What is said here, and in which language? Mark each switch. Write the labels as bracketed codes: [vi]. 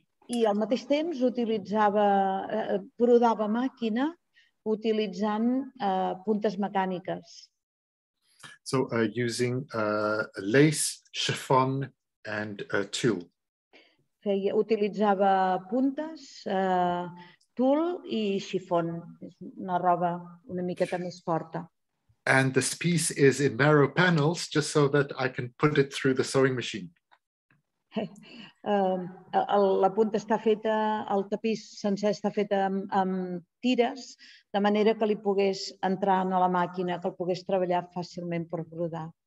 [ca] I al mateix temps utilitzava, brodava màquina utilitzant puntes mecàniques. [en] So using lace, chiffon and tulle. [ca] Feia, utilitzava puntes, tul i chiffon, és una roba una miqueta més forta. [en] And this piece is in narrow panels just so that I can put it through the sewing machine. [ca] La punta està feta, el tapís sencer està fet amb tires, de manera que li pogués entrar en la màquina, que el pogués treballar fàcilment per brodar.